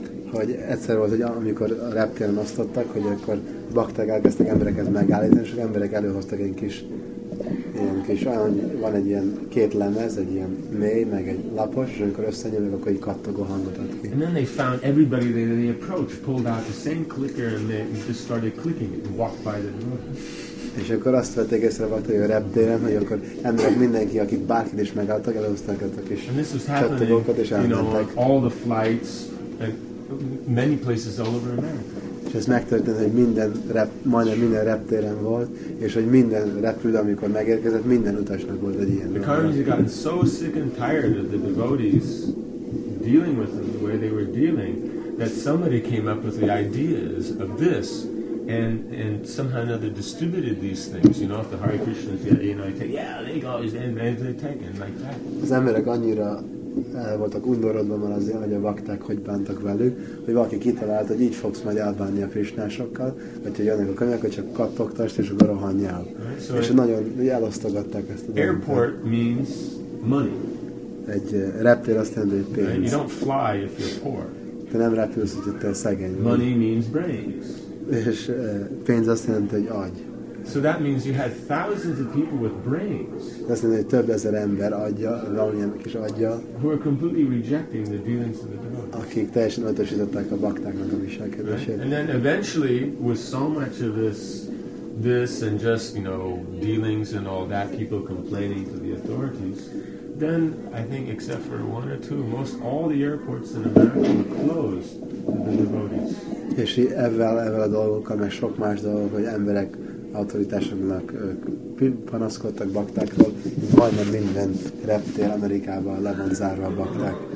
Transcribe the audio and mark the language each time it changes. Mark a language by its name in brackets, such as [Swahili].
[Hungarian] Hogy egyszer volt, hogy amikor a reptéren osztottak, hogy akkor bakták elkezdtek embereket megállítani, és emberek előhoztak egy kis, olyan, van egy ilyen két lemez, egy ilyen mély, meg egy lapos, és amikor összenyomlik, akkor egy kattogó hangot ad ki. [English] And then they found everybody that they approached pulled out the same clicker and they just started clicking it and walked by the door. [Hungarian] És akkor azt vették észre, hogy a reptéren, hogy akkor emberek mindenki, akik bárkit is megálltak, előhozták a kis csattogókat, és elmentek. [English] All the flights, many places all over America. [Hungarian] És ez megtörtént, hogy majdnem minden reptéren volt, és hogy minden repülő, amikor megérkezett, minden utasnak volt egy ilyen. [English] The karmis had gotten so sick and tired of the devotees dealing with them the way they were dealing, that somebody came up with the ideas of this, and somehow or another distributed these things. You know, if the Hare Krishna is, they go, they're taken like that. [Hungarian] Az emberek annyira voltak undorodva, mert azért, hogy a bakták hogy bántak velük, hogy valaki kitalált, hogy így fogsz majd elbánni a krisnásokkal, vagy hogy jönnek a könyvek, hogy csak kattogtasd, és akkor rohanjál. [English] Right, so [Hungarian] és nagyon elosztogatták ezt a dolgot. [English] Airport means money. [Hungarian] Egy reptér azt jelenti, hogy pénz. [English] Right, you don't fly if you're poor. [Hungarian] Te nem repülsz, hogy te szegény. [English] Money means brains. [Hungarian] És pénz azt jelenti, hogy agy. [English] So that means you had thousands of people with brains. [Hungarian] Azt mondja, hogy több ezer ember adja, valamilyen kis adja. [English] Who are completely rejecting the dealings of the devotees. [Hungarian] Akik teljesen utasították a baktáknak a viselkedését. [English] And then eventually, with so much of this and just, dealings and all that, people complaining to the authorities, then I think except for one or two, most all the airports in America were closed to the devotees. [Hungarian] És ezzel a dolgokkal, meg sok más dolgok, hogy emberek autoritásoknak panaszkodtak baktákról, majdnem minden reptér Amerikában le van zárva a bakták.